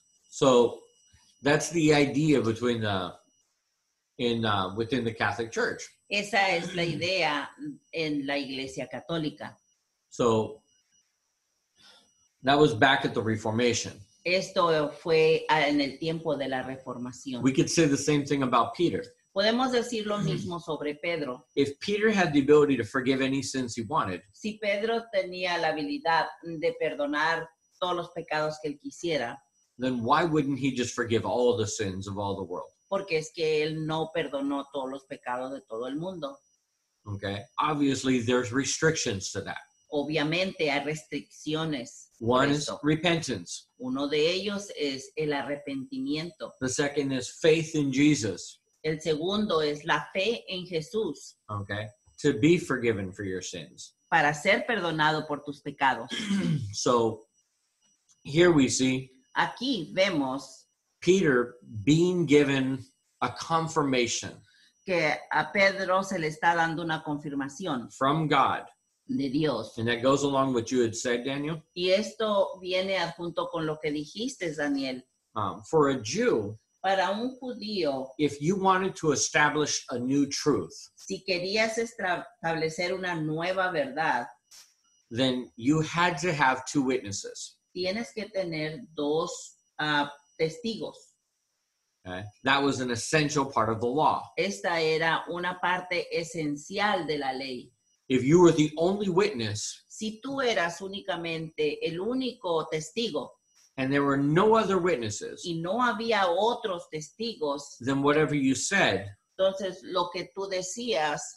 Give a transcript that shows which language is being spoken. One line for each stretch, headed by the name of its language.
English: So, that's the idea between within the Catholic Church.
Spanish: Esa es la idea en la Iglesia Católica.
English: So, that was back at the Reformation.
Spanish: Esto fue en el tiempo de la Reformación.
English: We could say the same thing about Peter.
Spanish: Podemos decir lo mismo sobre Pedro.
English: If Peter had the ability to forgive any sins he wanted.
Spanish: Si Pedro tenía la habilidad de perdonar todos los pecados que él quisiera.
English: Then why wouldn't he just forgive all the sins of all the world?
Spanish: Porque es que él no perdonó todos los pecados de todo el mundo.
English: Okay. Obviously, there's restrictions to that.
Spanish: Obviamente hay restricciones.
English: One is repentance.
Spanish: Uno de ellos es el arrepentimiento.
English: The second is faith in Jesus.
Spanish: El segundo es la fe en Jesús.
English: Okay. To be forgiven for your sins.
Spanish: Para ser perdonado por tus pecados.
English: So, here we see.
Spanish: Aquí vemos.
English: Peter being given a confirmation.
Spanish: Que a Pedro se le está dando una confirmación.
English: From God.
Spanish: De Dios.
English: And that goes along with what you had said, Daniel.
Spanish: Y esto viene junto con lo que dijiste, Daniel.
English: For a Jew,
Spanish: para un judío,
English: if you wanted to establish a new truth,
Spanish: si querías establecer una nueva verdad,
English: then you had to have two witnesses.
Spanish: Tienes que tener dos testigos.
English: Okay. That was an essential part of the law.
Spanish: Esta era una parte esencial de la ley.
English: If you were the only witness,
Spanish: si tú eras únicamente el único testigo,
English: and there were no other witnesses,
Spanish: y no había otros testigos,
English: then whatever you said,
Spanish: entonces lo que tú decías,